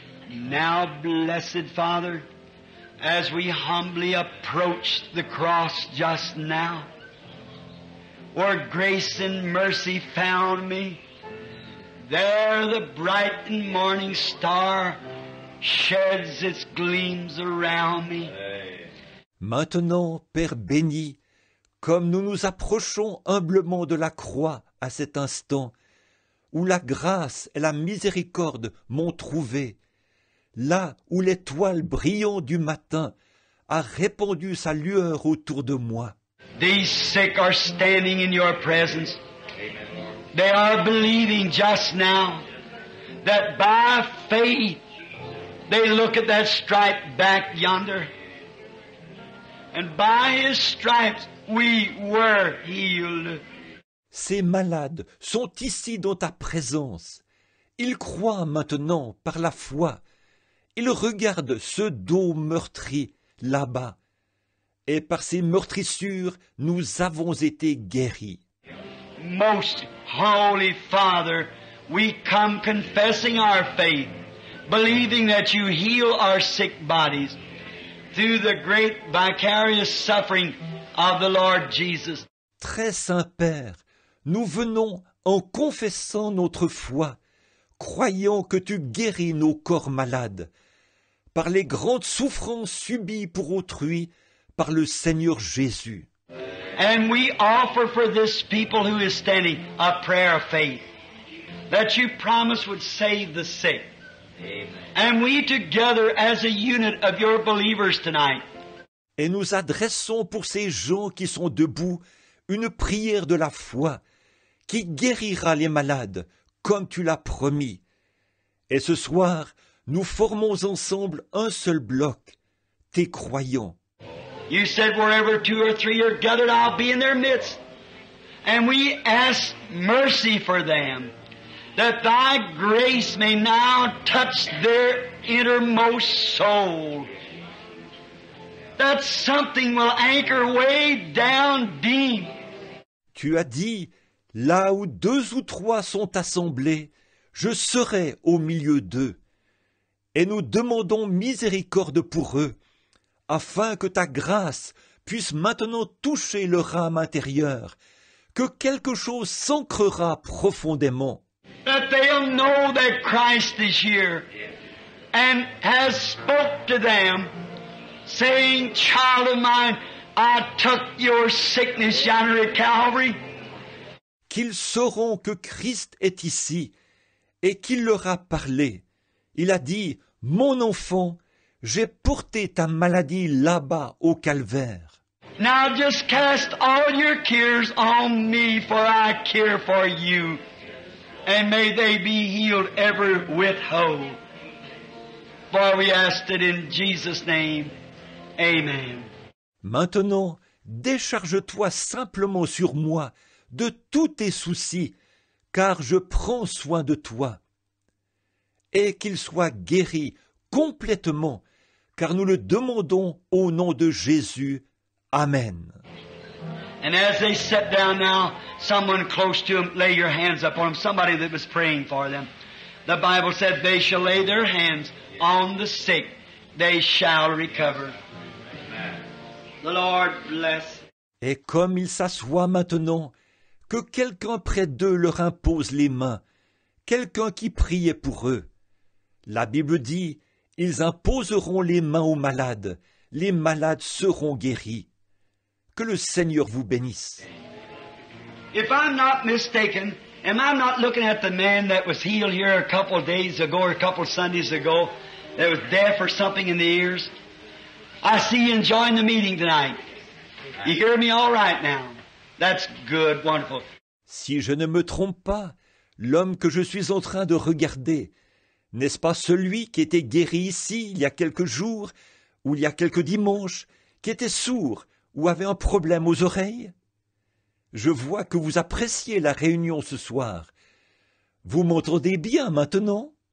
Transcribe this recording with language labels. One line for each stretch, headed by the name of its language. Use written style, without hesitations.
English: Now, blessed Father, as we humbly approach the cross just now, where grace and mercy found me, there the bright and morning star sheds its gleams around me.
French: Maintenant, Père béni, comme nous nous approchons humblement de la croix à cet instant, où la grâce et la miséricorde m'ont trouvé, là où l'étoile brillante du matin a répandu sa lueur autour de moi.
English: These sick are standing in your presence. They are believing just now that by faith they look at that stripe back yonder. And by his stripes we were healed.
French: Ces malades sont ici dans ta présence. Ils croient maintenant par la foi. Ils regardent ce dos meurtri là-bas. Et par ses meurtrissures, nous avons été guéris.
English: Most holy Father, we come confessing our faith, believing that you heal our sick bodies through the great vicarious suffering of the Lord Jesus.
French: Très saint Père, nous venons en confessant notre foi, croyant que tu guéris nos corps malades par les grandes souffrances subies pour autrui par le Seigneur Jésus.
English: And we offer for this people who is standing a prayer of faith that you promised would save the sick. Amen. And we together as a unit of your believers tonight.
French: Et nous adressons pour ces gens qui sont debout une prière de la foi qui guérira les malades comme tu l'as promis. Et ce soir, nous formons ensemble un seul bloc, tes croyants.
English: You said wherever two or three are gathered, I'll be in their midst. And we ask mercy for them. that thy grace may now touch their innermost soul. That something will anchor way down deep.
French: Tu as dit, là où deux ou trois sont assemblés, je serai au milieu d'eux. Et nous demandons miséricorde pour eux, afin que ta grâce puisse maintenant toucher leur âme intérieure, que quelque chose s'ancrera profondément.
English: That they'll know that Christ is here and has spoke to them, saying, child of mine, I took your sickness yonder at Calvary.
French: Qu'ils sauront que Christ est ici et qu'il leur a parlé. Il a dit, mon enfant, j'ai porté ta maladie là-bas au calvaire.
English: Now just cast all your cares on me, for I care for you. And may they be healed ever with hope. For we ask it in Jesus' name. Amen.
French: Maintenant, décharge-toi simplement sur moi de tous tes soucis, car je prends soin de toi. Et qu'il soit guéri complètement, car nous le demandons au nom de Jésus. Amen.
English: And as they sat down now, someone close to them, lay your hands upon them, somebody that was praying for them. The Bible said, they shall lay their hands on the sick, they shall recover. The Lord bless.
French: Et comme ils s'assoient maintenant, que quelqu'un près d'eux leur impose les mains, quelqu'un qui priait pour eux. La Bible dit, ils imposeront les mains aux malades, les malades seront guéris. Que le Seigneur vous bénisse.
English: If I'm not mistaken, am I not looking at the man that was healed here a couple of days ago or a couple of Sundays ago that was deaf or something in the ears? I see you enjoying the meeting tonight. You hear me all right now? That's good, wonderful.
French: Si je ne me trompe pas, l'homme que je suis en train de regarder, n'est-ce pas celui qui était guéri ici il y a quelques jours ou il y a quelques dimanches, qui était sourd ou avait un problème aux oreilles? Je vois que vous appréciez la réunion ce soir. Vous m'entendez bien maintenant?